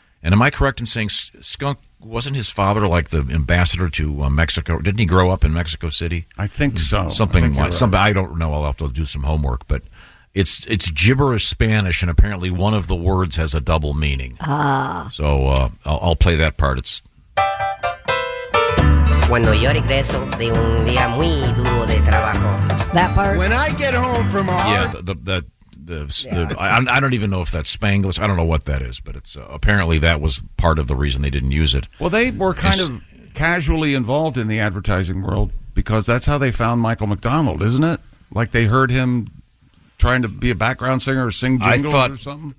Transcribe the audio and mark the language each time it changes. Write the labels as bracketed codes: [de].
[en] And am I correct in saying Skunk, wasn't his father like the ambassador to Mexico? Didn't he grow up in Mexico City? I think so. Something think like something. Right. I don't know. I'll have to do some homework. But it's gibberish Spanish, and apparently one of the words has a double meaning. So I'll play that part. It's... [es] Cuando yo regreso de un día muy duro de trabajo. [en] That part? When I get home from a... Yeah, I don't even know if that's Spanglish. I don't know what that is, but it's apparently that was part of the reason they didn't use it. Well, they were kind of casually involved in the advertising world because that's how they found Michael McDonald, isn't it? Like they heard him trying to be a background singer or sing jingles or something?